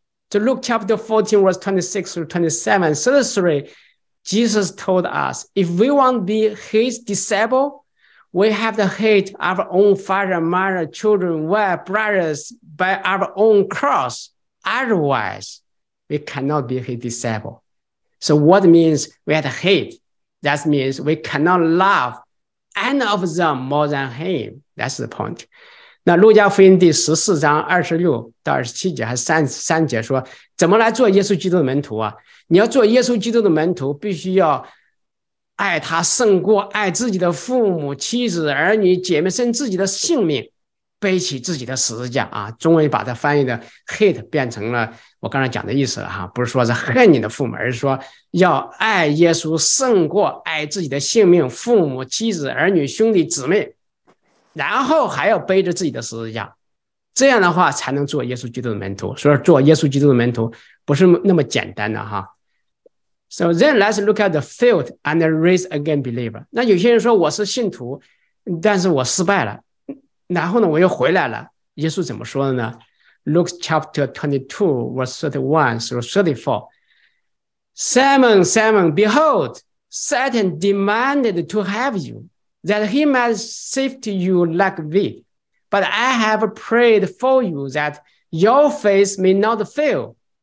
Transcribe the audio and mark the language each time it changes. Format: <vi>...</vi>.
<en>To Luke chapter 14, verse 26 through 27, 33, Jesus told us, if we want to be his disciple, we have to hate our own father, mother, children, wife, brothers, by our own cross. Otherwise, we cannot be his disciple. So what means we have to hate? That means we cannot love any of them more than him. That's the point.</en> <zh>那路加福音第14章26到27节还是33节说怎么来做耶稣基督的门徒啊？你要做耶稣基督的门徒必须要爱他胜过爱自己的父母、妻子、儿女、姐妹甚至自己的性命背起自己的十字架啊！中文把它翻译的 hate 变成了我刚才讲的意思了哈，不是说是恨你的父母，而是说要爱耶稣胜过爱自己的性命、父母、妻子、儿女、兄弟、姊妹，然后还要背着自己的十字架，这样的话才能做耶稣基督的门徒。所以做耶稣基督的门徒不是那么简单的哈。</zh> <en>So then let's look at the failed and raised again believer.</en> <zh>那有些人说我是信徒，但是我失败了。然后呢我又回来了，耶稣怎么说的呢？</zh> <en>Luke chapter 22 verse 31 through 34 Simon, Simon, behold, Satan demanded to have you, that he might sift you like wheat. But I have prayed for you that your faith may not fail.</en>